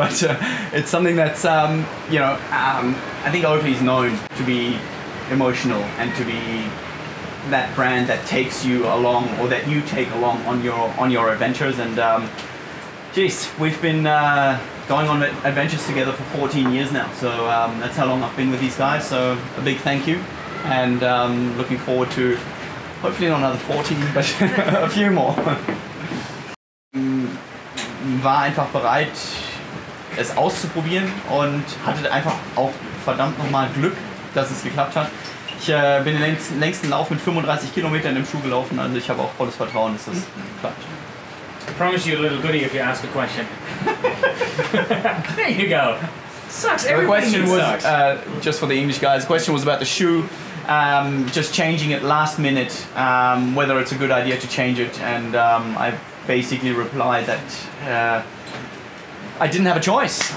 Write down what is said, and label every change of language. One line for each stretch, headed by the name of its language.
English: But it's something that's, I think Oakley's known to be emotional and to be that brand that takes you along, or that you take along on your adventures. And we've been going on adventures together for 14 years now, so that's how long I've been with these guys. So a big thank you, and looking forward to hopefully not another 14, but a few more.
German: War einfach bereit, es auszuprobieren, und hatte einfach auch verdammt nochmal Glück, dass es geklappt hat. Ich bin den längsten Lauf mit 35 Kilometern im Schuh gelaufen, also ich habe auch volles Vertrauen, dass das klappt.
English: I promise you a little goodie if you ask a question. There you go. Sucks. The question was, sucks. Just for the English guys, the question was about the shoe, just changing it last minute, whether it's a good idea to change it, and I basically replied that I didn't have a choice.